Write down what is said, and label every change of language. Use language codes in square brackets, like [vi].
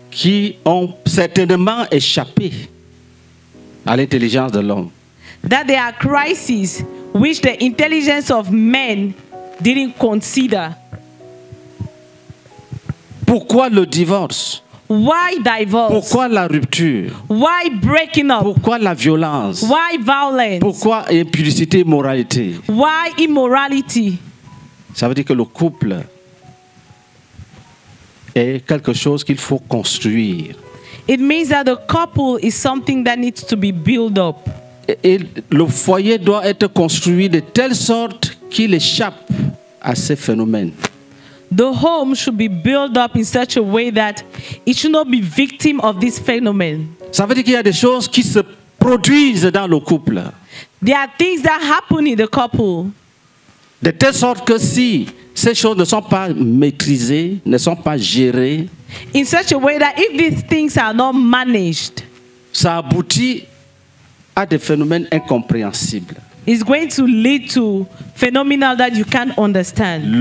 [fr] qui ont certainement échappé à l'intelligence de l'homme, [en] that there are crises which the intelligence of men didn't consider. [fr] Pourquoi le divorce? [en] Why divorce? [fr] Pourquoi la rupture? [en] Why breaking up? [fr] Pourquoi la violence? [en] Why violence? [fr] Pourquoi impudicité et moralité? [en] Why immorality? [fr] Ça veut dire que le couple est quelque chose qu'il faut construire. [en] It means that the couple is something that needs to be built up. [fr] Et le foyer doit être construit de telle sorte qu'il échappe à ces phénomènes. [en] The home should be built up in such a way that it should not be victim of this phenomenon. [fr] Ça veut dire qu'il y a des choses qui se produisent dans le couple. [en] There are things that happen in the couple. [fr] De telle sorte que si ces choses ne sont pas maîtrisées, ne sont pas gérées, [en] in such a way that if these things are not managed, [fr] ça aboutit à des phenomènes incompréhensibles. [en] Is going to lead to phenomena that you can't understand.